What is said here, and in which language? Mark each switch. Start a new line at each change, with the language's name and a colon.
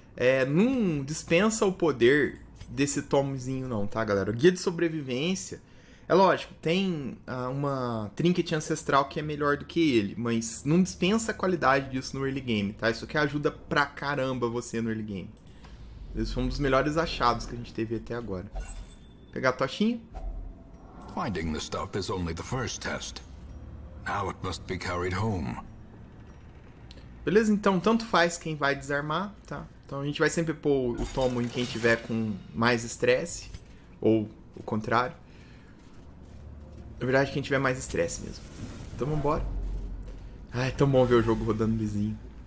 Portuguese: É, não dispensa o poder desse tomzinho não, tá, galera? O guia de sobrevivência, é lógico, tem uma trinket ancestral que é melhor do que ele, mas não dispensa a qualidade disso no early game, tá? Isso aqui ajuda pra caramba você no early game. Esse foi um dos melhores achados que a gente teve até agora. Pegar a tochinha.
English: Finding the stuff is only the first test. Now it must be carried home.
Portuguese: Beleza, então tanto faz quem vai desarmar, tá? Então a gente vai sempre pôr o tomo em quem tiver com mais estresse. Ou o contrário. Na verdade, quem tiver mais estresse mesmo. Então vambora. Ai, tão bom ver o jogo rodando vizinho.